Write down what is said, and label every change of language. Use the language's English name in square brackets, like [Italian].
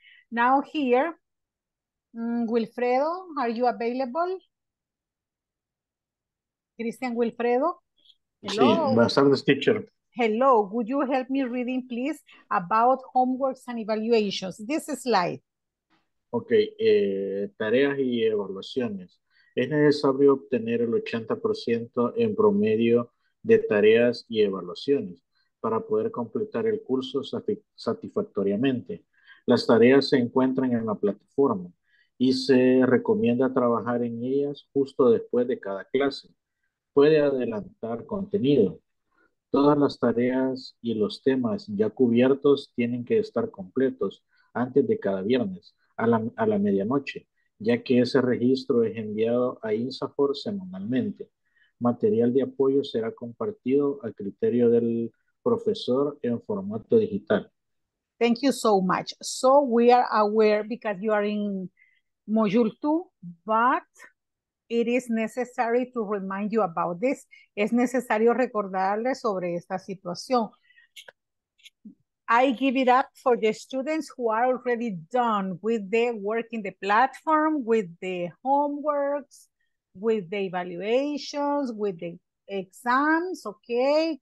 [English] Now here, Wilfredo, are you available? Christian Wilfredo? [Spanish] Sí, buenas tardes, teacher. [English] Hello, would you help me reading, please, about homeworks and evaluations? This slide. [Spanish] Okay, tareas y evaluaciones. Es necesario obtener el 80% en promedio de tareas y evaluaciones para poder completar el curso satisfactoriamente. Las tareas se encuentran en la plataforma y se recomienda trabajar en ellas justo después de cada clase. Puede adelantar contenido. Todas las tareas y los temas ya cubiertos tienen que estar completos antes de cada viernes a la medianoche, ya que ese registro es enviado a INSAFOR semanalmente. Material de apoyo será compartido a criterio del profesor en formato digital. [English] Thank you so much. So we are aware because you are in module 2, but it is necessary to remind you about this. [Spanish] Es necesario recordarle sobre esta situación. [English] I give it up for the students who are already done with the work in the platform, with the homeworks, with the evaluations, with the exams, okay?